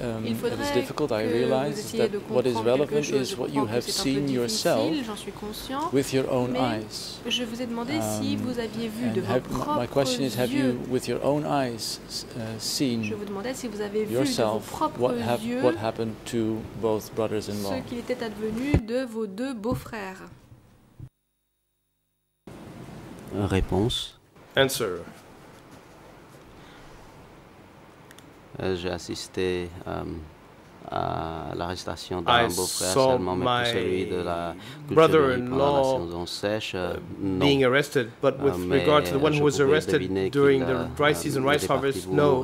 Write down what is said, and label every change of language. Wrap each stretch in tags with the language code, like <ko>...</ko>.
<en>It is difficult, I realize, that what is relevant is what you have seen yourself with your own eyes.</en> <fr>Je vous ai demandé si vous aviez vu de vos propres yeux.</fr> <en>My question is, have you, with your own eyes, seen yourself what happened to both brothers-in-law?</en> <fr>Ce qu'il était advenu de vos deux beaux-frères. Réponse.</fr> <en>Answer.</en> <fr>J'ai assisté à l'arrestation de mon beau-frère seulement, mais pour celui de la</fr> <en>brother-in-law being arrested, but with regard to the one who was arrested during the dry season rice harvest, no.</en>